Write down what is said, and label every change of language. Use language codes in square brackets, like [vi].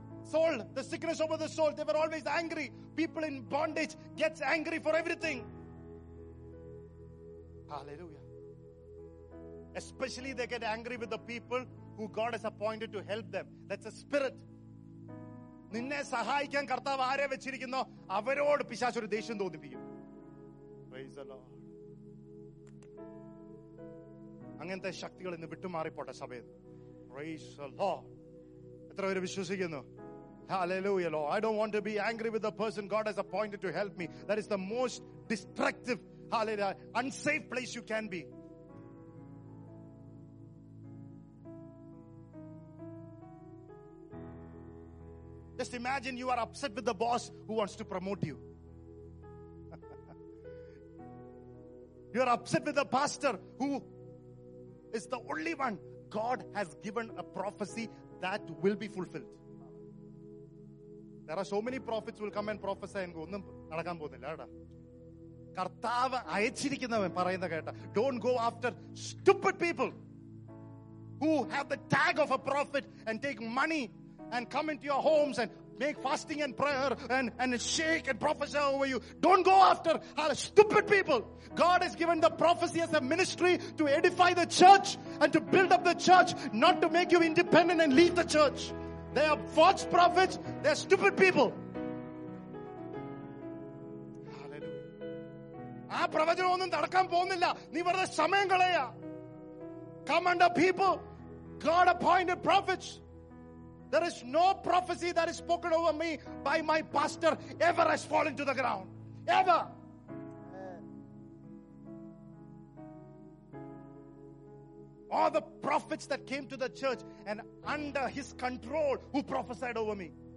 [en] Soul, the sickness over the soul, they were always angry. People in bondage gets angry for everything. Hallelujah. Especially they get angry with the people who God has appointed to help them. That's a spirit. [ml] നിന്നെ സഹായിക്കാൻ കർത്താവ് ആരെ വെച്ചിരിക്കുന്നോ അവരോട് പിശാച് ഒരു ദേഷ്യം തോന്നിപ്പിക്കും. [en] Praise the Lord. [ml] അങ്ങനത്തെ ശക്തികൾ ഇന്ന് വിട്ടുമാറിപ്പോട്ടെ സഭയിൽ. [en] Praise the Lord. [ml] എത്ര പേര് വിശ്വസിക്കുന്നു? Hallelujah Lord. [en] I don't want to be angry with the person God has appointed to help me. That is the most destructive hallelujah unsafe place you can be. Just imagine you are upset with the boss who wants to promote you. You are upset with the pastor who is the only one God has given a prophecy that will be fulfilled. There are so many prophets who will come and prophesy and go, [ml] ഒന്നും നടക്കാൻ പോകുന്നില്ല കേട്ടാ. കർത്താവ് അയച്ചിരിക്കുന്നവൻ പറയുന്ന കേട്ടാ. [en] Don't go after stupid people who have the tag of a prophet and take money and come into your homes and make fasting and prayer and shake and prophesy over you. Don't go after stupid people. God has given the prophecy as a ministry to edify the church and to build up the church, not to make you independent and leave the church. They are false prophets. They are stupid people. Hallelujah. [ml] ആ പ്രവചനം ഒന്നും നടക്കാൻ പോകുന്നില്ല, നീ വെറുതെ സമയം കളയ. [en] Come under people, God appointed prophets. There is no prophecy that is spoken over me by my pastor ever has fallen to the ground. Ever. All the prophets that came to the church and under his control who prophesied over me.